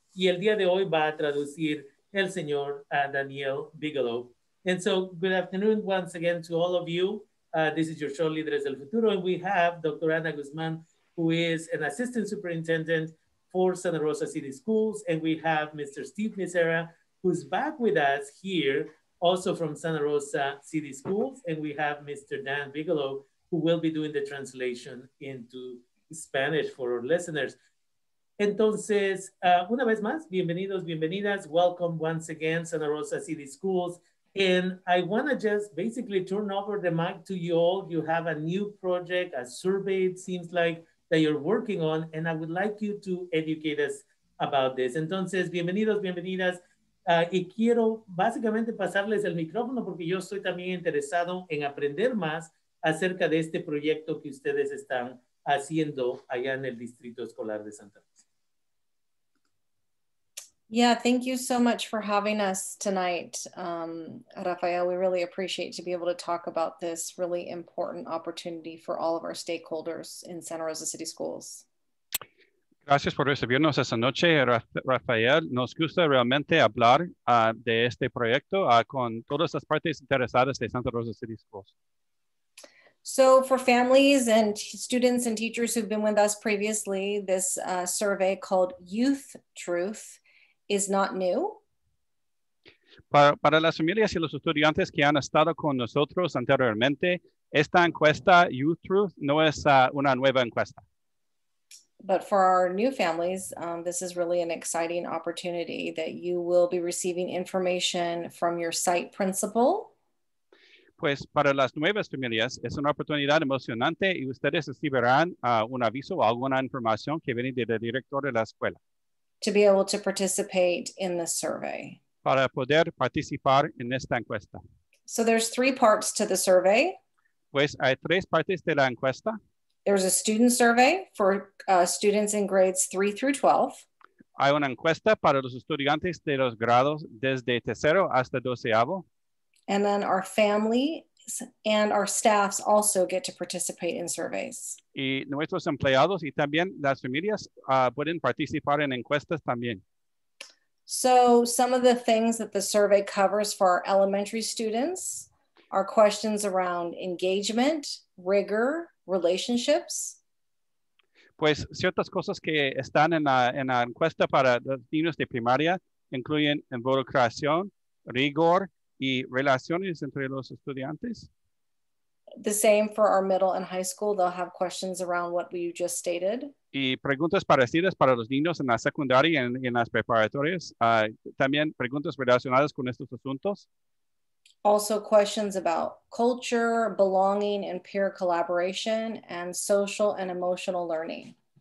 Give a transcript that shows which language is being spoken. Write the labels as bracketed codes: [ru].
[es] Y el día de hoy va a traducir el señor Daniel Bigelow. [en] And so, good afternoon once again to all of you. This is your show, Líderes del Futuro, and we have Dr. Ana Guzmán, who is an assistant superintendent for Santa Rosa City Schools, and we have Mr. Steve Misera, who's back with us here, also from Santa Rosa City Schools, and we have Mr. Dan Bigelow, who will be doing the translation into Spanish for our listeners. [es] Entonces, una vez más, bienvenidos, bienvenidas, welcome once again, Santa Rosa City Schools. [en] And I want to just basically turn over the mic to you all. You have a new project, a survey, it seems like, that you're working on, and I would like you to educate us about this. [es] Entonces, bienvenidos, bienvenidas. Y quiero básicamente pasarles el micrófono porque yo estoy también interesado en aprender más acerca de este proyecto que ustedes están haciendo allá en el Distrito Escolar de Santa Rosa. [en] Yeah, thank you so much for having us tonight, Rafael. We really appreciate to be able to talk about this really important opportunity for all of our stakeholders in Santa Rosa City Schools. [es] Gracias por recibirnos esta noche, Rafael. Nos gusta realmente hablar de este proyecto con todas las partes interesadas de Santa Rosa City Schools. [en] So for families and students and teachers who've been with us previously, this survey called Youth Truth is not new. [es] Para las familias y los estudiantes que han estado con nosotros anteriormente, esta encuesta Youth Truth no es una nueva encuesta. [en] But for our new families, this is really an exciting opportunity that you will be receiving information from your site principal. [es] Pues para las nuevas familias es una oportunidad emocionante y ustedes recibirán un aviso o alguna información que viene del director de la escuela. [en] To be able to participate in the survey. [es] Para poder participar en esta encuesta. [en] So there's three parts to the survey. [es] Pues hay tres partes de la encuesta. [en] There's a student survey for students in grades 3 through 12. [es] Hay una encuesta para los estudiantes de los grados desde tercero hasta doceavo. [en] And then our families and our staffs also get to participate in surveys. [es] Y nuestros empleados y también las familias pueden participar en encuestas también. [en] So some of the things that the survey covers for our elementary students are questions around engagement, rigor, relationships. [es] Pues ciertas cosas que están en la encuesta para los niños de primaria incluyen involucración, rigor y relaciones entre los estudiantes. [en] The same for our middle and high school. They'll have questions around what you just stated. [es] Y preguntas parecidas para los niños en la secundaria y en las preparatorias. También preguntas relacionadas con estos asuntos. [en] Also questions about culture, belonging, and peer collaboration, and social and emotional learning.